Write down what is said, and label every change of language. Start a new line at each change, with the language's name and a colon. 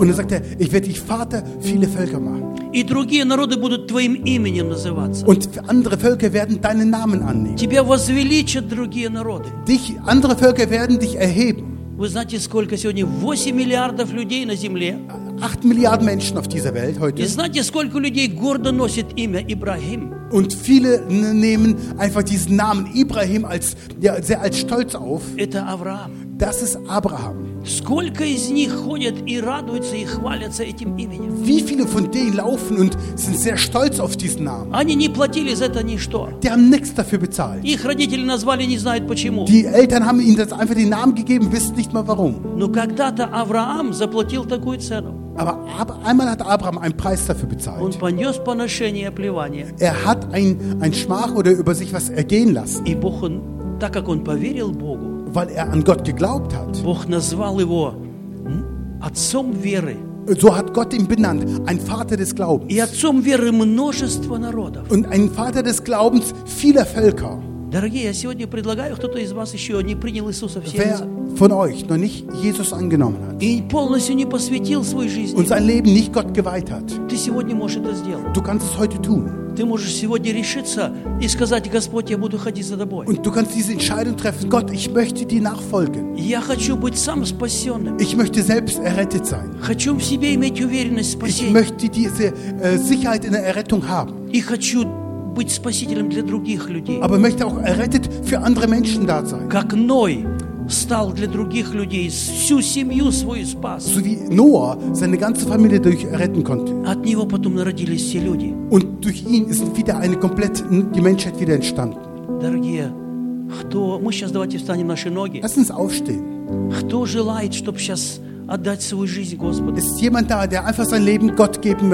German: Und er sagte, ich werde dich Vater viele Völker machen.
Russian: И другие народы будут твоим именем называться.
German: Und andere Völker werden deinen Namen annehmen.
Russian: Тебя возвеличат другие народы.
German: Dich andere Völker werden dich erheben.
Russian: Вы знаете, сколько сегодня 8 миллиардов людей на земле?
German: 8 Milliarden Menschen auf dieser Welt heute.
Russian: И знаете, сколько людей гордо носит имя Ибрахим?
German: Und viele nehmen einfach diesen Namen Ibrahim als ja, sehr als stolz auf.
Russian: Это Авраам.
German: Das ist Abraham.
Russian: Сколько из них ходят и радуются и хвалятся этим именем?
German: Wie viele von denen laufen und sind sehr stolz auf diesen Namen?
Russian: Они не платили за это ничто.
German: Die haben nichts dafür bezahlt.
Russian: Их родители назвали, не знают почему.
German: Die Eltern haben ihnen einfach den Namen gegeben, wissen nicht mal warum.
Russian: Но когда-то Авраам заплатил такую цену.
German: Aber einmal hat Abraham einen Preis dafür bezahlt.
Russian: Und понес поношение и плевание.
German: Er hat ein Schmach oder über sich was ergehen lassen.
Russian: И Бог, так как он поверил Богу,
German: weil er an Gott geglaubt hat.
Russian: Бог назвал его отцом веры.
German: So hat Gott ihn benannt, ein Vater des Glaubens.
Russian: И отцом веры множество народов.
German: Und ein Vater des Glaubens vieler Völker.
Russian: Дорогие, я сегодня предлагаю, кто-то из вас еще не принял Иисуса в сердце.
German: Wer von euch noch nicht Jesus angenommen hat.
Russian: И полностью не посвятил свою жизнь.
German: Und sein Leben nicht Gott geweiht hat.
Russian: Ты сегодня можешь это сделать.
German: Du kannst es heute tun.
Russian: Ты можешь сегодня решиться и сказать: Господь, я буду ходить за тобой.
German: Und du kannst diese Entscheidung treffen: Gott, ich möchte dir nachfolgen.
Russian: Я хочу быть сам спасенным.
German: Ich möchte selbst errettet sein.
Russian: Хочу в себе иметь уверенность в спасении.
German: Ich möchte diese Sicherheit in der Errettung haben.
Russian: И хочу быть спасителем для других людей.
German: Aber möchte auch errettet für andere Menschen da sein.
Russian: Как Ной стал для других людей, всю семью свою спас.
German: So wie Noah seine ganze Familie durch retten konnte.
Russian: От него потом родились все люди.
German: Und durch ihn ist wieder eine komplett die Menschheit wieder entstanden.
Russian: Дорогие, кто, мы сейчас давайте встанем наши ноги.
German: Lass uns aufstehen.
Russian: Кто желает, чтобы сейчас отдать свою жизнь Господу?
German: Ist jemand da, der einfach sein Leben Gott geben möchte?